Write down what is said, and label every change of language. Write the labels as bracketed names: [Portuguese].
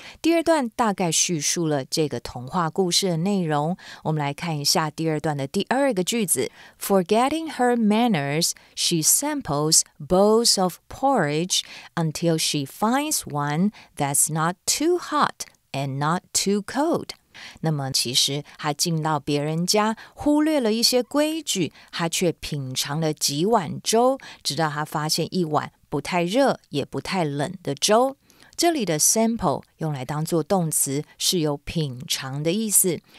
[Chinese] 第二段大概叙述了这个童话故事的内容。我们来看一下第二段的第二个句子。 [English] Forgetting her manners, she samples bowls of porridge until she finds one that's not too hot and not too cold. [Chinese] 那么其实他进到别人家，忽略了一些规矩，他却品尝了几碗粥，直到他发现一碗不太热也不太冷的粥。这里的 sample 用来当做动词，是有品尝的意思。